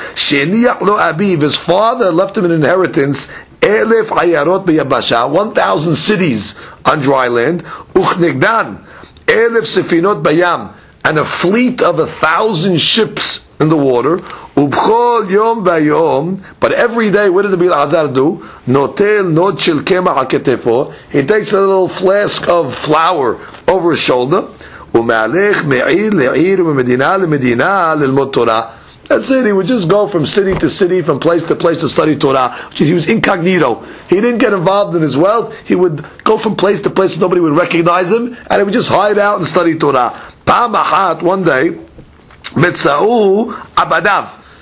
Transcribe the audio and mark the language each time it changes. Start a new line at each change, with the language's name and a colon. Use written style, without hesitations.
Hebrew: Sheniach lo Abiv,
English: his father left him an inheritance, 1,000 cities on dry land, uchnegdan,
Hebrew: 1,000 sefinot bayam,
English: and a fleet of 1,000 ships in the water,
Hebrew: ובכל יום ויום,
English: but every day, what did the Bilazar do?
Hebrew: נוטל נוט של קמח על כתפו,
English: he takes a little flask of flour over his shoulder,
Hebrew: ומהלך מעיר לעיר וממדינה למדינה ללמוד תורה.
English: That's it, he would just go from city to city, from place to place to study Torah. He was incognito. He didn't get involved in his wealth, he would go from place to place so nobody would recognize him, and he would just hide out and study Torah.
Hebrew: פעם אחת,
English: one day,
Hebrew: Metzau Abadav.